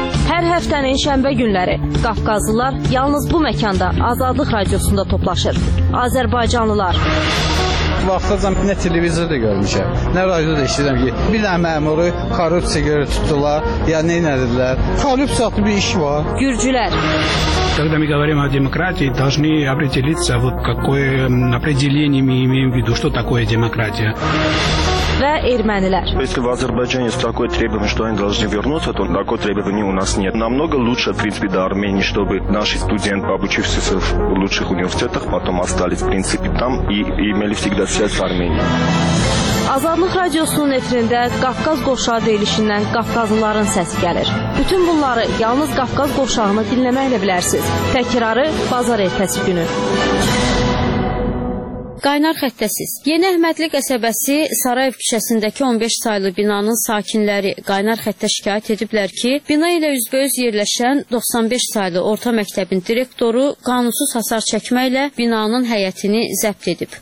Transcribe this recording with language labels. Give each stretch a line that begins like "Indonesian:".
Azerbaijani: Hər həftənin şənbə günləri Qafqazlılar yalnız bu məkanda Azadlıq radiosunda toplaşır. Azərbaycanlılar. Vaxtacam nə televizorda görmüşəm, nə radioda işləyirəm ki, bir dənə məmuru korrupsiya görə tutdular, ya nə edirlər? Korrupsiya bir iş var. Gürcülər.
Russian: Когда мы говорим о демократии, должны определиться, вот какое определение мы имеем в виду, что такое демократия.
Azerbaijani: Ve ermənilər.
Russian: Если в Азербайджане есть такое требование, что они должны вернуться, то такое требование у нас нет. Намного лучше, в принципе, до Армении, чтобы наши студенты, обучившиеся в лучших университетах, потом остались, в принципе, там и имели всегда связь с Арменией.
Azerbaijani: Azadlıq radiosunun efirində Qafqaz qovşağı deyilişindən Qafqazlıların səsi gəlir. Bütün bunları yalnız Qafqaz qovşağını dinləməklə bilərsiniz. Təkrarı bazar ertəsi günü. Qaynar xəttəsiz. Yeni Əhmədli qəsəbəsi Sarayev küçəsindəki 15 saylı binanın sakinləri qaynar xəttə şikayət ediblər ki, bina ilə üzbəüz yerləşən 95 saylı orta məktəbin direktoru qanunsuz hasar çəkməklə binanın həyətini zəbt edib.